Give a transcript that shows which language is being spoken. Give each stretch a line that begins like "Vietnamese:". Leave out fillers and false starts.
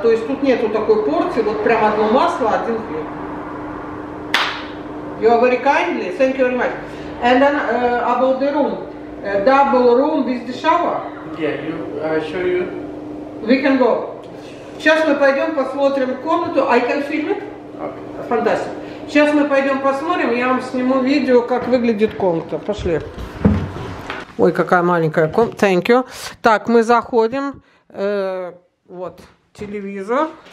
Russian: То есть тут нету такой порции, вот прям одно масло, один хлеб.
English: You are very kindly, thank you very much. And then about the room, double room with the shower. Yeah, I show you. We can go.
Russian: Сейчас мы пойдем посмотрим комнату.
English: I can film it. Okay. Fantastic.
Russian: Сейчас мы пойдем посмотрим, я вам сниму видео, как выглядит комната. Пошли. Ой, какая маленькая комната.
English: Thank you.
Russian: Так, мы заходим. Вот, телевизор.